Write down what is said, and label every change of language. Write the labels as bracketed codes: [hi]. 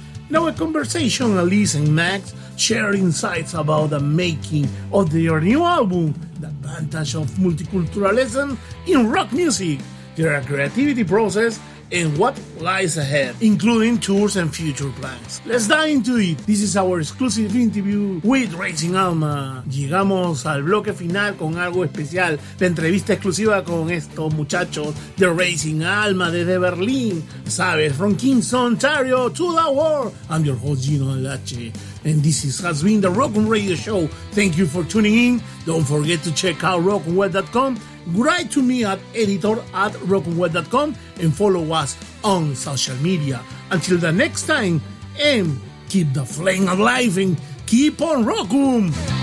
[en] In our conversation, Alice and Max share insights about the making of their new album, The Advantage of Multiculturalism in Rock Music, their creativity process, and what lies ahead, including tours and future plans. Let's dive into it. This is our exclusive interview with Rising Alma. [es] Llegamos al bloque final con algo especial, la entrevista exclusiva con estos muchachos de Rising Alma desde Berlín. Sabes, [en] from Kingston, Ontario to the world. I'm your host, Gino Alache, and this has been the Rockun Radio Show. Thank you for tuning in. Don't forget to check out rockunweb.com. Write to me at editor@rockunweb.com and follow us on social media. Until the next time, and keep the flame alive and keep on rockum.